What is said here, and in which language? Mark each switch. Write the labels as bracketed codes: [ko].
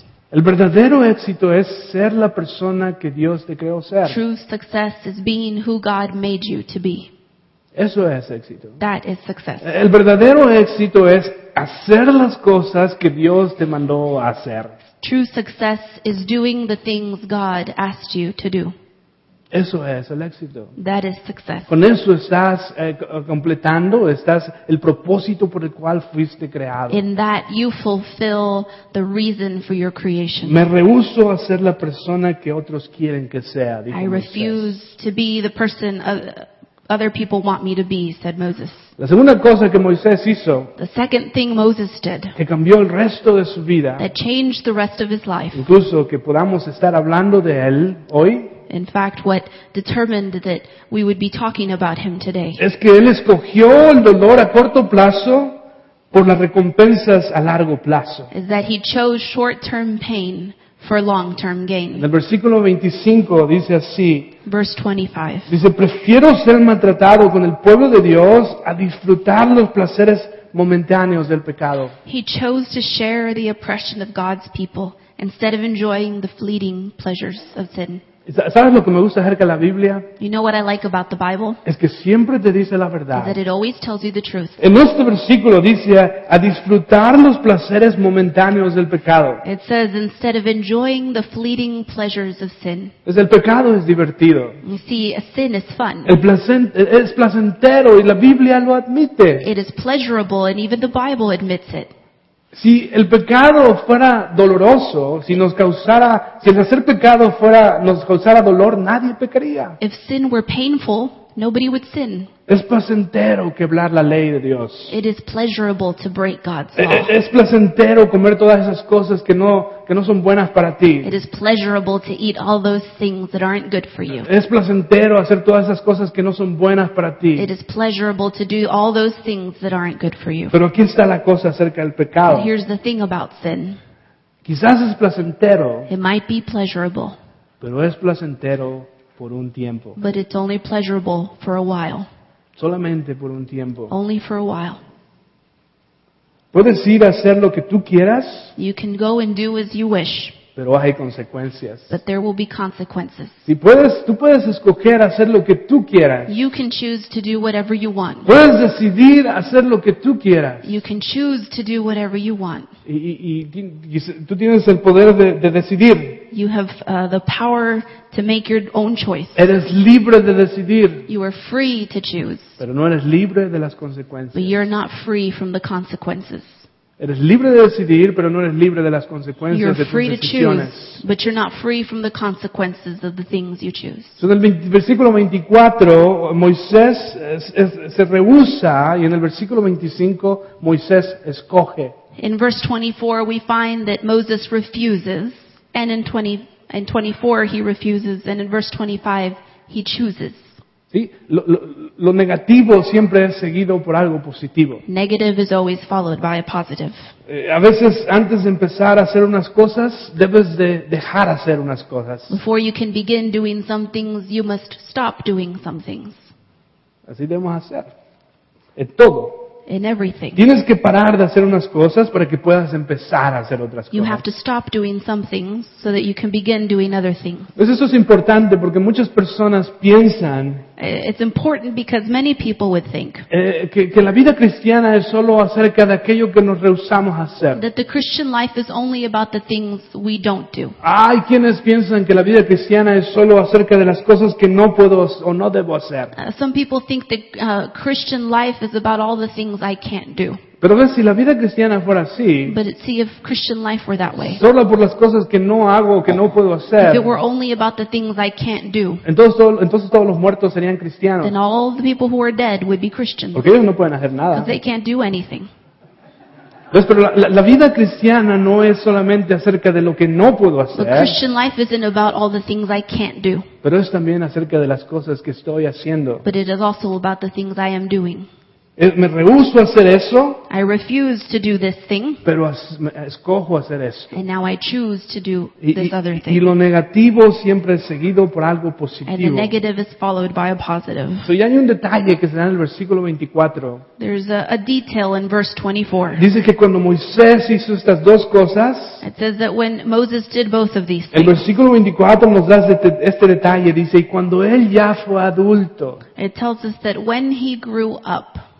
[es] El verdadero éxito es ser la persona que Dios te creó ser. [en] True success is being who God made you to be. [es] Eso es éxito. [en] That is success. [es] El verdadero éxito es hacer las cosas que Dios te mandó a hacer. [en] True success is doing the things God asked you to do. [es] Eso es el éxito. [en] That is success. [es] Con eso estás completando, estás el propósito por el cual fuiste creado. [en] In that you fulfill the reason for your creation. [es] Me rehúso a ser la persona que otros quieren que sea, dijo [en] Moisés. I refuse to be the person other people want me to be, said Moses. [es] La segunda cosa que Moisés hizo, [en] the second thing Moses did, [es] que cambió el resto de su vida, [en] that changed the rest of his life, [es] incluso que podamos estar hablando de él hoy, [en] in fact, what determined that we would be talking about him today. [es] Es que él escogió el dolor a corto plazo por las recompensas a largo plazo. [en] Is that he chose short-term pain for long-term gain. [es] En el versículo 25 dice así. [en] Verse 25. [es] Dice, prefiero ser maltratado con el pueblo de Dios a disfrutar los placeres momentáneos del pecado. [en] He chose to share the oppression of God's people instead of enjoying the fleeting pleasures of sin. [es] ¿Sabes lo que me gusta acerca de la Biblia? [en] You know what I like about the Bible? [es] Es que siempre te dice la verdad. [en] That it always tells you the truth. [es] En este versículo dice a disfrutar los placeres momentáneos del pecado. [en] It says instead of enjoying the fleeting pleasures of sin. [es] Pues el pecado es divertido. [en] You see, a sin is fun. [es] El placer es placentero y la Biblia lo admite. [en] It is pleasurable and even the Bible admits it. [es] Si el pecado fuera doloroso, si el hacer pecado nos causara dolor, nadie pecaría. [en] If sin were painful, Nobody would sin. [es] Es placentero quebrar la ley de Dios. [en] It is pleasurable to break God's law. [es] Es placentero comer todas esas cosas que no son buenas para ti. [en] It is pleasurable to eat all those things that aren't good for you. [es] Es placentero hacer todas esas cosas que no son buenas para ti. [en] It is pleasurable to do all those things that aren't good for you. [es] Pero aquí está la cosa acerca del pecado. [en] But here's the thing about sin. [es] Quizás es placentero. [en] It might be pleasurable. [es] Pero es placentero por un tiempo. [en] But it's only pleasurable for a while. [es] Solamente por un tiempo. [en] Only for a while. [es] Puedes ir a hacer lo que tú quieras. [en] You can go and do as you wish. [es] Pero hay consecuencias. [en] But there will be consequences. [es] Si puedes, tú puedes escoger hacer lo que tú quieras. [en] You can choose to do whatever you want. [es] Puedes decidir hacer lo que tú quieras. [en] You can choose to do whatever you want. [es] Y tú tienes el poder de decidir. [en] You have the power to make your own choice. [es] Eres libre de decidir. [en] You are free to choose. [es] Pero no eres libre de las consecuencias. [en] But you're not free from the consequences. [es] Eres libre de decidir, pero no eres libre de las consecuencias [en] you're [es] de tus decisiones. [en] You're free to choose, but you're not free from the consequences of the things you choose. [es] So en el versículo 24, Moisés se rehúsa, y en el versículo 25, Moisés escoge. [en] In verse 24, we find that Moses refuses, and in 24, he refuses, and in verse 25, he chooses. [es] Sí, lo negativo siempre es seguido por algo positivo. [en] Negative is always followed by a positive. [es] A veces antes de empezar a hacer unas cosas, debes de dejar hacer unas cosas. [en] Before you can begin doing some things, you must stop doing some things. [es] Así debemos hacer. En todo. [en] In everything. [es] Tienes que parar de hacer unas cosas para que puedas empezar a hacer otras cosas. [en] You have to stop doing some things so that you can begin doing other things. [es] Pues eso es importante porque muchas personas piensan. [en] It's important because many people would think [es] que la vida cristiana es solo acerca de aquello que nos rehusamos a hacer. [en] That the Christian life is only about the things we don't do. [es] Hay quienes piensan que la vida cristiana es solo acerca de las cosas que no puedo o no debo hacer. [en] Some people think that Christian life is about all the things I can't do. [es] Pero ves, si la vida cristiana fuera así, [en] see, if Christian life were that way, [es] solo por las cosas que no hago o que no puedo hacer, [en] if it were only about the things I can't do, [es] entonces todos los muertos serían cristianos. [en] Then all the people who are dead would be Christians. [es] Porque ellos no pueden hacer nada. [en] They can't do anything. [es] Ves, pero la vida cristiana no es solamente acerca de lo que no puedo hacer. [en] But Christian life isn't about all the things I can't do. [es] Pero es también acerca de las cosas que estoy haciendo. [en] But it is also about the things I am doing. [es] Me rehúso a hacer eso. [en] I refuse to do this thing. [es] Pero escojo hacer esto. [en] And now I choose to do this other thing. [es] Y lo negativo siempre es seguido por algo positivo. [en] And the negative is followed by a positive. [es] So ya hay un detalle que se da en el versículo 24. [en] There's a detail in verse 24. [es] Dice que cuando Moisés hizo estas dos cosas. [en] It says that when Moses did both of these things. [es] El versículo 24 nos da este detalle. Dice, y cuando él ya fue adulto. [en] It tells us that when he grew up.